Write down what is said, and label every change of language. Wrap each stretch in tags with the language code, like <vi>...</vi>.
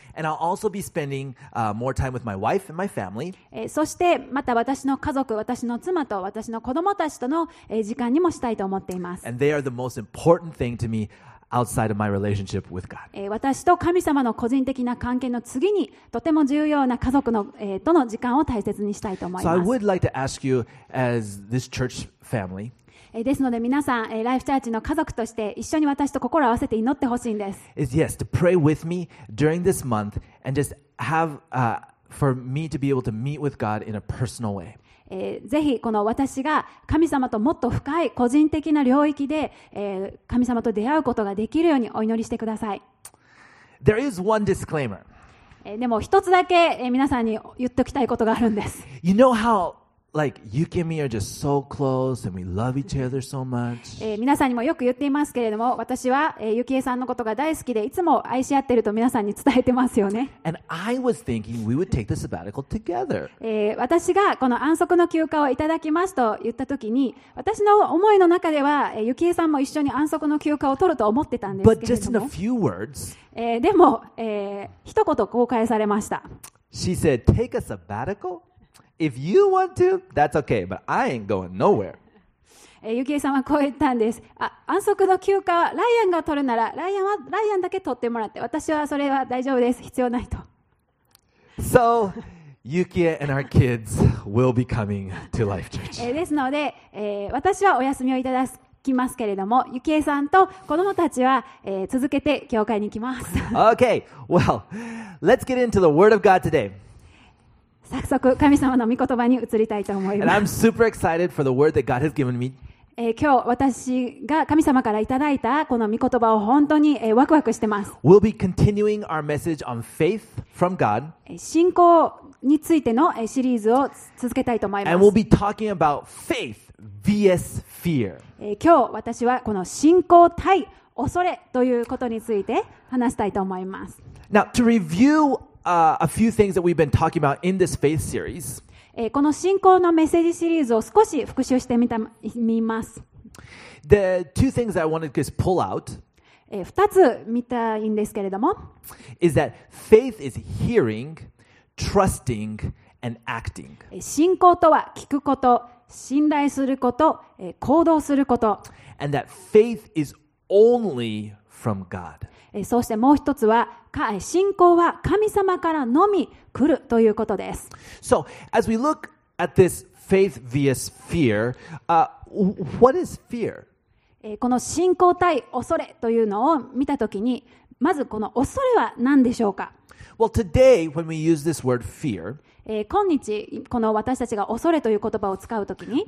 <en>And I'll also be spending more time with my wife and my family.</en> <ja>そしてまた私の家族、私の妻と私の子供たちとの時間にもしたいと思っています。</ja> <en>And they are the most important thing to me. Outside of my relationship with God.</en> <ja>私と神様の個人的な関係の次にとても重要な家族の、との時間を大切にしたいと思います。</ja> <en>So I would like to ask you as this church family.</en> <ja>ですので皆さん、ライフチャーチの家族として一緒に私と心を合わせて祈ってほしいんです。</ja> <en>Is yes, to pray with me during this month and just have for me to be able to meet with God in a personal way.</en> <ja>ぜひこの私が神様ともっと深い個人的な領域で神様と出会うことができるようにお祈りしてください。</ja> <en>There is one disclaimer.</en> <ja>でも一つだけ皆さんに言っておきたいことがあるんです。</ja> <en>You know how Like, you and me are just so close and we love each other so much.</en> <ja>皆さんにもよく言っていますけれども、私は、ゆきえさんのことが大好きで、いつも愛し合ってると皆さんに伝えてますよね。</ja> <en>And I was thinking we would take the sabbatical together.</en> <ja>私がこの安息の休暇をいただきますと言ったときに、私の思いの中では、ゆきえさんも一緒に安息の休暇を取ると思ってたんですけれども。</ja> <en>But just in a few words,</en> <ja>でも、一言こう返されました。</ja> <en>She said, take a sabbatical? If you want to, that's okay, but I ain't going nowhere.</en> <ja>ゆきえさんはこう言ったんです。安息の休暇はライアンが取るなら、ライアンだけ取ってもらって、私はそれは大丈夫です。必要ないと。</ja> <en>So, Yukie and our kids will be coming to Life Church.</en> <ja>ですので、私はお休みをいただきますけれども、ゆきえさんと子供たちは、続けて教会に来ます。</ja> <en>Okay, well, let's get into the Word of God today.</en> <ja>早速神様の御言葉に移りたいと思います。</ja> <en>And I'm super excited for the word that God has given me.</en> <ja>今日私が神様からいただいたこの御言葉を本当にワクワクしてます。</ja> <en>We'll be continuing our message on faith from God.</en> <ja>信仰についてのシリーズを続けたいと思います。</ja> <en>And we'll be talking about faith vs fear.</en> <ja>今日私はこの信仰対恐れということについて話したいと思います。</ja> <en>Now to reviewa few things that we've been talking about in this faith series.</en> <ja>この信仰のメッセージシリーズを少し復習してみます。</ja> <en>The two things I wanted to just pull out.</en> <ja>二つ見たいんですけれども。</ja> <en>Is that faith is hearing, trusting, and acting.</en> <ja>信仰とは聞くこと、信頼すること、行動すること。</ja> <en>And that faith is only from God.</en> <ja>そしてもう一つは信仰は神様からのみ来るということです。</ja> <en>So, as we look at this faith vs fear, what is fear?</en> <ja>この信仰対恐れというのを見たときに、まずこの恐れは何でしょうか?</ja> <en>Well, today, when we use this word fear,</en> <ja>今日、この私たちが恐れという言葉を使うときに、</ja>